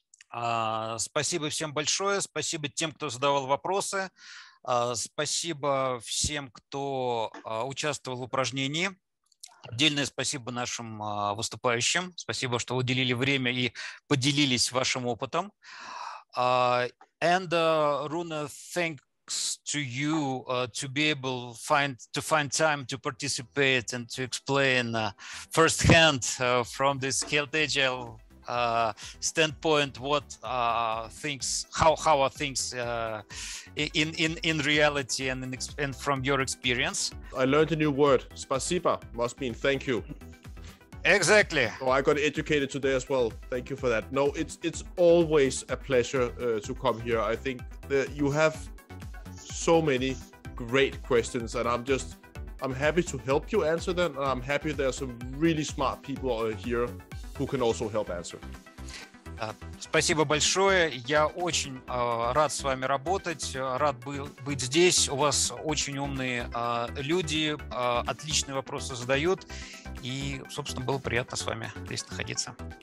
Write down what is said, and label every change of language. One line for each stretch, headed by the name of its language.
Russian: Спасибо всем большое. Спасибо тем, кто задавал вопросы. Спасибо всем, кто участвовал в упражнении. Отдельное спасибо нашим выступающим. Спасибо, что уделили время и поделились вашим опытом.
English: And Rune, thank you. To you to be able to find time to participate and to explain firsthand from this Health Agile standpoint what things how are things in reality and from your experience. I learned a new word. Спасибо must mean thank you. Exactly. Oh, I got educated today as well. Thank you for that. No, it's always a pleasure to come here. I think that you have so many great questions, and I'm happy to help you answer them, and I'm happy there are some really smart people here who can also help answer.
Russian: Спасибо большое. Я очень рад с вами работать, рад быть здесь. У вас очень умные люди, отличные вопросы задают, и, собственно, было приятно с вами здесь находиться.